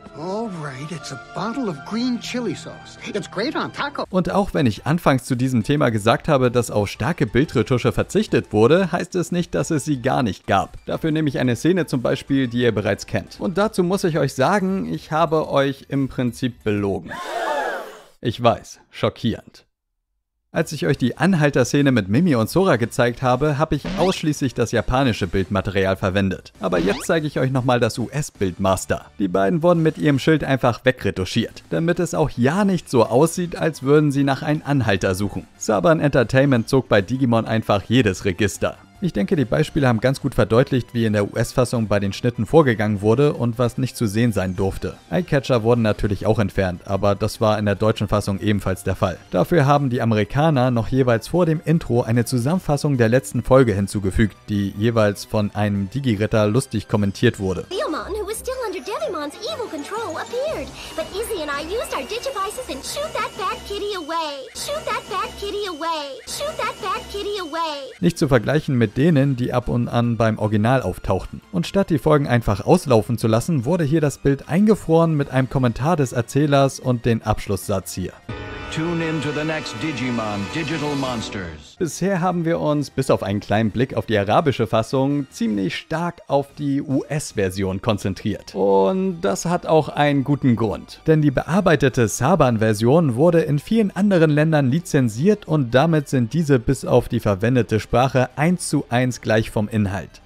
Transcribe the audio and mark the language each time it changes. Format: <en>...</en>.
<en>Alright, it's a bottle of green chili sauce. It's great on taco.</en> <de>Und auch wenn ich anfangs zu diesem Thema gesagt habe, dass auf starke Bildretusche verzichtet wurde, heißt es nicht, dass es sie gar nicht gab. Dafür nehme ich eine Szene zum Beispiel, die ihr bereits kennt. Und dazu muss ich euch sagen, ich habe euch im Prinzip belogen. Ich weiß, schockierend. Als ich euch die Anhalter-Szene mit Mimi und Sora gezeigt habe, habe ich ausschließlich das japanische Bildmaterial verwendet. Aber jetzt zeige ich euch nochmal das US-Bildmaster. Die beiden wurden mit ihrem Schild einfach wegretuschiert, damit es auch ja nicht so aussieht, als würden sie nach einem Anhalter suchen. Saban Entertainment zog bei Digimon einfach jedes Register. Ich denke, die Beispiele haben ganz gut verdeutlicht, wie in der US-Fassung bei den Schnitten vorgegangen wurde und was nicht zu sehen sein durfte. Eyecatcher wurden natürlich auch entfernt, aber das war in der deutschen Fassung ebenfalls der Fall. Dafür haben die Amerikaner noch jeweils vor dem Intro eine Zusammenfassung der letzten Folge hinzugefügt, die jeweils von einem Digi-Ritter lustig kommentiert wurde.</de> <en>Digimon, who was still under Devimon's evil control, appeared. But Izzy and I used our Digivices and shoot that bad kitty away. Shoot that bad kitty away. Shoot that bad kitty away.</en> <de>Nicht zu vergleichen mit denen, die ab und an beim Original auftauchten. Und statt die Folgen einfach auslaufen zu lassen, wurde hier das Bild eingefroren mit einem Kommentar des Erzählers und den Abschlusssatz hier.</de> <en>Tune in to the next Digimon, Digital Monsters.</en> <de>Bisher haben wir uns, bis auf einen kleinen Blick auf die arabische Fassung, ziemlich stark auf die US-Version konzentriert. Und das hat auch einen guten Grund. Denn die bearbeitete Saban-Version wurde in vielen anderen Ländern lizenziert und damit sind diese bis auf die verwendete Sprache 1:1 gleich vom Inhalt.</de>